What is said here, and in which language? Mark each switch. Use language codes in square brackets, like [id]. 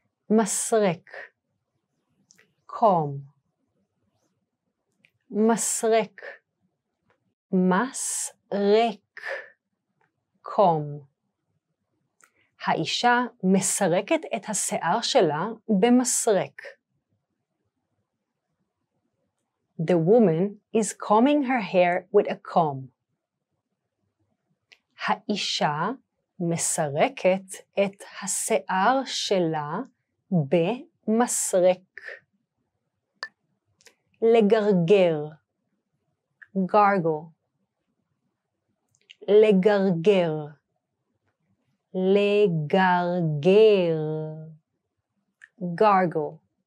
[he] מסרק. [en] קום. [he] מסרק. מסרק. [en] קום. [he] האישה מסרקת את השיער שלה במסרק. [en] The woman is combing her hair with a comb. [he] האישה מסרקת את השיער שלה במסרק. לגרגר. [en] Gargle. [he] לגרגר. לגרגר. Gargle.